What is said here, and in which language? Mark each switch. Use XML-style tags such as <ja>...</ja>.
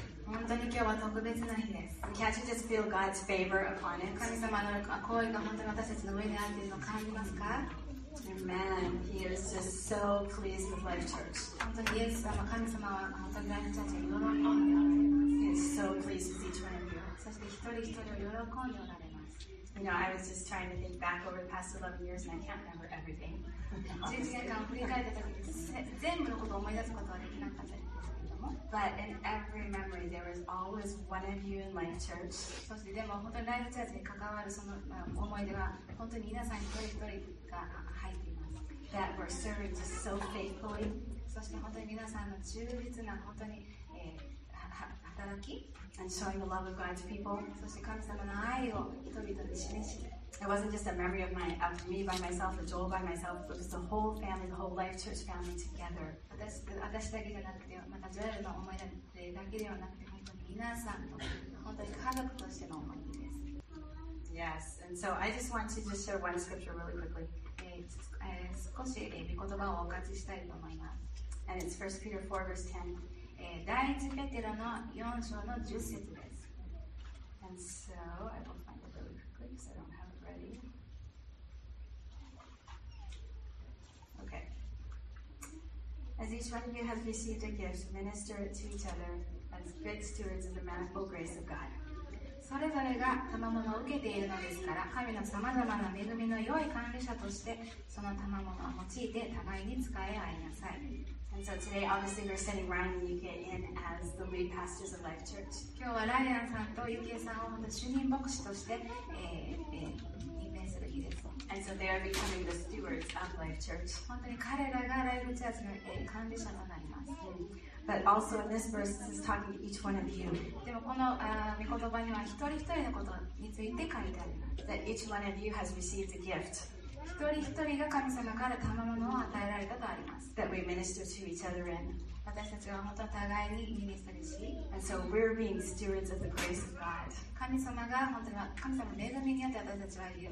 <ja>本当に今日は特別な日です。</ja> <en>Can't you just feel God's favor upon it?</en> <ja>神様の行為が本当に私たちの上にあるというのを感じますか？</ja> <en>Amen. He is just so pleased with Life Church.</en> <ja>本当にイエス様、神様は本当に私たちを喜んでおられます。</ja> <en>He is so pleased with each one of you.</en> <ja>そして一人一人を喜んでおられます。</ja> <en>You know, I was just trying to think back over the past 11 years and I can't remember everything.</en> <ja>11年間振り返った時に全部のことを思い出すことはできなかったです。</ja> <en>But in every memory, there was always one of you in Life Church.</en> <ja>そしてでも本当にライフチャーズに関わるその思い出は本当に皆さん一人一人が入っています。</ja> <en>That were serving just so faithfully.</en> <ja>そして本当に皆さんの忠実な本当に、働き。</ja> <en>And showing the love of God to people.</en> <ja>そして神様の愛を人々に示し。</ja> <en>It wasn't just a memory of my, of me by myself or Joel by myself. It was the whole family, the whole Life Church family together.</en> <ja>私だけじゃなくて、またジョエルの思い出だけではなくて、本当に皆さんと本当に家族としての思い出です。</ja> <en>Yes, and so I just want to just share one scripture really quickly.</en> <ja>少し御言葉をお書きしたいと思います。</ja> <en>And it's 1 Peter 4 verse 10.</en> <ja>第一ペテロの4章の10節です。</ja> <en>And so I will find it really quickly because I don't have it ready. Okay. As each one of you has received a gift, minister it to each other as good stewards of the manifold grace of God.</en> <ja>それぞれが賜物を受けているのですから、神の様々な恵みの良い管理者として、その賜物を用いて互いに使い合いなさい。</ja> <en>And so today, obviously, we're sending Ryan and Yuki in as the lead pastors of Life Church.</en> <ja>今日はライアンさんとユキエさんを本当主任牧師として、任命する日です。</ja> <en>And so they are becoming the stewards of Life Church.</en> <ja>本当に彼らがライフチャーズの、管理者となります。</ja> <en>But also in this verse, this is talking to each one of you.</en> <ja>でもこの御言葉には一人一人のことについて書いてあります。</ja> <en>That each one of you has received a gift.</en> <ja>一人一人が神様から賜物を与えられたとあります。</ja> <en>That we minister to each other in.</en> <ja>私たちは本当に互いにミニストリーし。</ja> <en>And so we're being stewards of the grace of God.</en> <ja>神様が本当に神様の恵みによって私たちは、</ja>